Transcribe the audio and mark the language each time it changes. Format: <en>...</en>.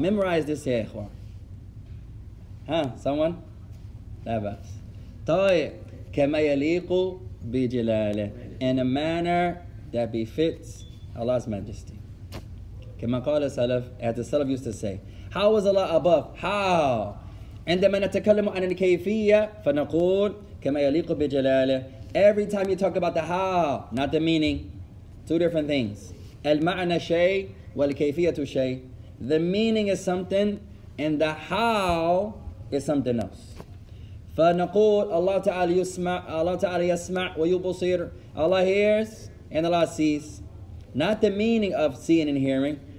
<en>Memorize this here, ikhwan. Huh? Someone? Labas.</en> <ar>طيب, كما يليق بجلاله.</ar> <en>In a manner that befits Allah's majesty.</en> <ar>كما قال السلف,</ar> <en>as the Salaf used to say. How is Allah above? How?</en> <ar>عندما نتكلم عن الكيفية فنقول كما يليق بجلاله.</ar> <en>Every time you talk about the how, not the meaning. Two different things.</en> <ar>المعنى شيء والكيفية شيء.</ar> <en>The meaning is something and the how is something else.</en> <ar>فنقول الله تعالى يسمع, الله تعالى يسمع ويبصر.</ar> <en>Allah hears and Allah sees. Not the meaning of seeing and hearing.</en>